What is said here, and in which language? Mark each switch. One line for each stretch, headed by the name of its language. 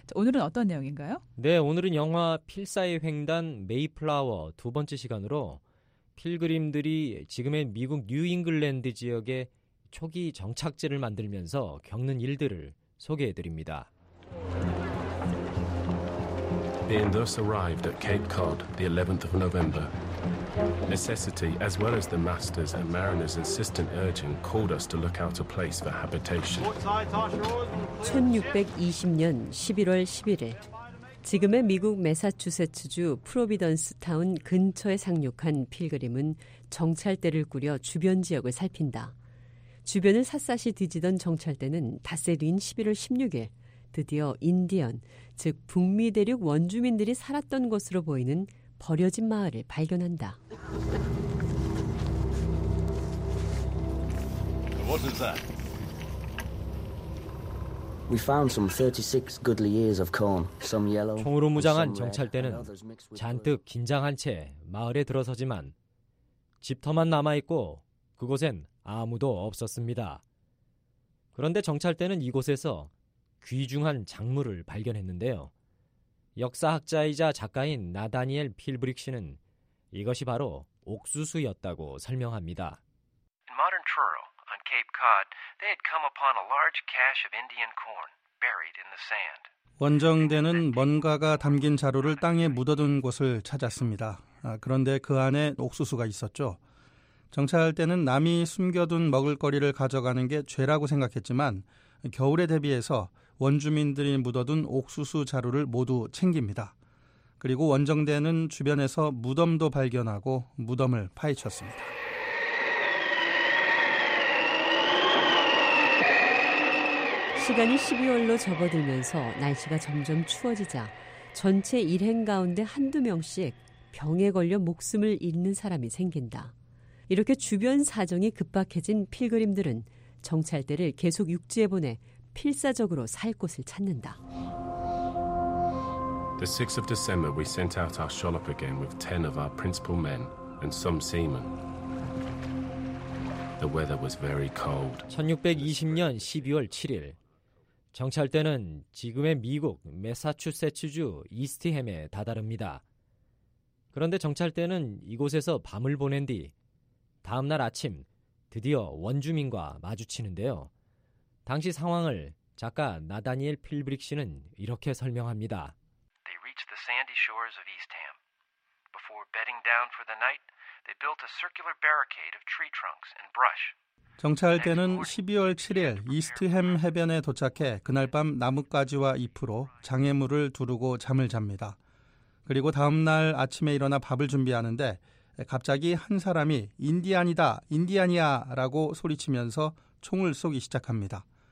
Korean: 오늘은 어떤 내용인가요? 네, 오늘은 영화 필사의 횡단 메이플라워 두 번째 시간으로 필그림들이 지금의 미국 뉴잉글랜드 지역에 초기 정착지를 만들면서 겪는 일들을 소개해드립니다.
English: Being thus arrived at Cape Cod, the 11th of November. Necessity, as well as the master's and mariner's insistent urging, called us to look out a place for habitation.
Korean: 1620년 11월 11일, 지금의 미국 매사추세츠주 프로비던스 타운 근처에 상륙한 필그림은 정찰대를 꾸려 주변 지역을 살핀다. 주변을 샅샅이 뒤지던 정찰대는 닷새뒤인 11월 16일, 드디어 인디언, 즉 북미 대륙 원주민들이 살았던 것으로 보이는 버려진 마을을 발견한다.
English: What is that? We found some 36 goodly ears of corn, some yellow.
Korean: 총으로 무장한 정찰대는 잔뜩 긴장한 채 마을에 들어서지만 집터만 남아 있고 그곳엔 아무도 없었습니다. 그런데 정찰대는 이곳에서 귀중한 작물을 발견했는데요. 역사학자이자 작가인 나다니엘 필브릭 씨는 이것이 바로 옥수수였다고 설명합니다.
English: In modern Truro, on Cape Cod, they had come upon a large cache of Indian corn buried in the sand.
Korean: 원정대는 뭔가가 담긴 자루를 땅에 묻어둔 곳을 찾았습니다. 그런데 그 안에 옥수수가 있었죠. 정찰대는 남이 숨겨둔 먹을거리를 가져가는 게 죄라고 생각했지만 겨울에 대비해서 원주민들이 묻어둔 옥수수 자루를 모두 챙깁니다. 그리고 원정대는 주변에서 무덤도 발견하고 무덤을 파헤쳤습니다. 시간이 12월로 접어들면서 날씨가 점점 추워지자 전체 일행 가운데 한두 명씩 병에 걸려 목숨을 잃는 사람이 생긴다. 이렇게 주변 사정이 급박해진 필그림들은 정찰대를 계속 육지에 보내 필사적으로 살 곳을 찾는다.
English: The 6th of December we sent out our shallop again with 10 of our principal men and some seamen. The weather was very cold.
Korean: 1620년 12월 7일 정찰대는 지금의 미국 매사추세츠주 이스트햄에 다다릅니다. 그런데 정찰대는 이곳에서 밤을 보낸 뒤 다음 날 아침 드디어 원주민과 마주치는데요. 당시 상황을 작가 나다니엘 필브릭 씨는 이렇게 설명합니다.
English: They reached the sandy shores of Eastham. Before bedding down for the night, they built a circular barricade of tree trunks and brush.
Korean: 정찰대는 12월 7일 이스트햄 해변에 도착해 그날 밤 나뭇가지와 잎으로 장애물을 두르고 잠을 잡니다. 그리고 다음 날 아침에 일어나 밥을 준비하는데 갑자기 한 사람이 인디안이다, 인디안이야 라고 소리치면서 총을 쏘기 시작합니다.